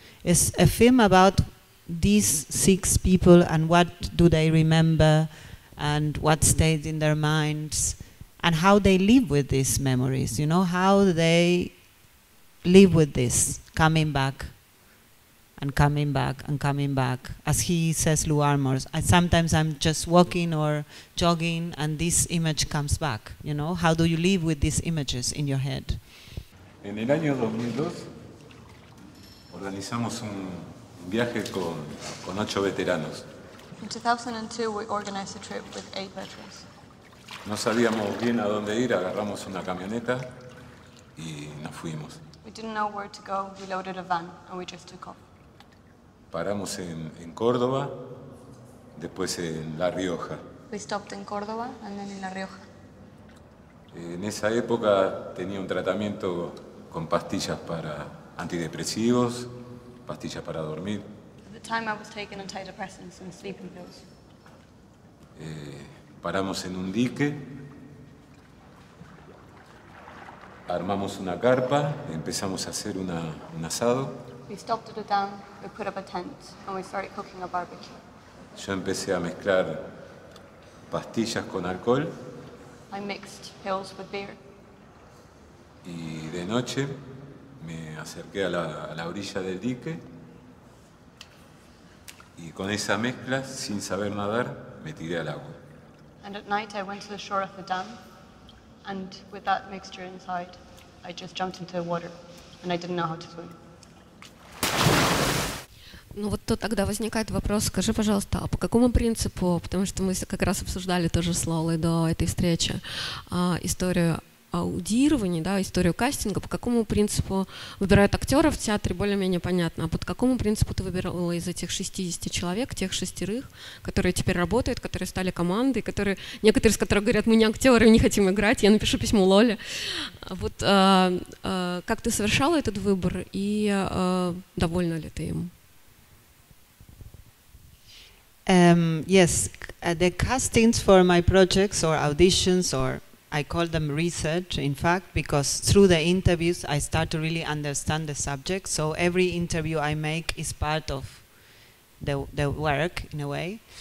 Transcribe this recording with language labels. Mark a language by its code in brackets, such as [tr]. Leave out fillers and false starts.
[en] It's a film about these six people and what do they remember and what stayed in their minds and how they live with these memories, you know, how they live with this coming back. And coming back and coming back. As he says, Lou Armour, sometimes I'm just walking or jogging and this image comes back. You know, how do you live with these images in your head? [es] En el año 2002 organizamos un viaje con 8 veteranos. [en] In 2002 we organized a trip with 8 veterans. [es] No sabíamos bien a dónde ir, agarramos una camioneta y nos fuimos. [en] We didn't know where to go, we loaded a van and we just took off. [es] Paramos en Córdoba, después en La Rioja. [en] We stopped in Córdoba and then in La Rioja. [es] En esa época tenía un tratamiento con pastillas para antidepresivos, pastillas para dormir. [en] At the time I was taking antidepressants and sleeping pills. [es] Paramos en un dique, armamos una carpa, empezamos a hacer un asado. [en] We stopped at a dam, we put up a tent, and we started cooking a barbecue. [es] Yo empecé a mezclar pastillas con alcohol. [en] I mixed pills with beer. [es] Y de noche me acerqué a la orilla del dique. Y con esa mezcla, sin saber nadar, me tiré al agua. [en] And at night I went to the shore of the dam, and with that mixture inside, I just jumped into the water, and I didn't know how to swim. [ru] Ну вот то тогда возникает вопрос, скажи, пожалуйста, а по какому принципу, потому что мы как раз обсуждали тоже с Лолой до этой встречи, историю аудирования, да, историю кастинга, по какому принципу выбирают актеров в театре, более-менее понятно, а по какому принципу ты выбирала из этих 60 человек, тех шестерых, которые теперь работают, которые стали командой, которые, некоторые из которых говорят, мы не актеры, не хотим играть, я напишу письмо Лоле. Вот как ты совершала этот выбор и довольна ли ты им? [en] Yes, the castings for my projects or auditions, or I call them research, in fact, because through the interviews I start to really understand the subject. So every interview I make is part of the work, in a way.